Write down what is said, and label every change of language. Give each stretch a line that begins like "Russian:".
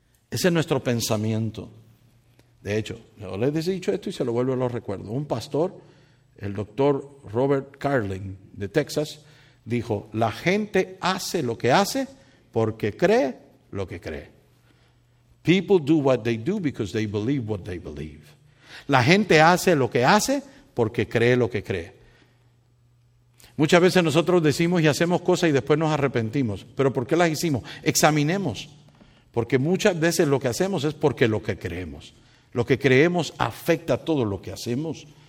Spanish: Ese es nuestro pensamiento. De hecho, yo les he dicho esto y se lo vuelvo a los recuerdos. Un pastor, el doctor Robert Carlin de Texas, dijo, la gente hace lo que hace porque cree lo que cree.
English: People do what they do because they believe what they believe.
Spanish: La gente hace lo que hace porque cree lo que cree. Muchas veces nosotros decimos y hacemos cosas y después nos arrepentimos. ¿Pero por qué las hicimos? Examinemos. Porque muchas veces lo que hacemos es porque lo que creemos. Lo que creemos afecta todo lo que hacemos.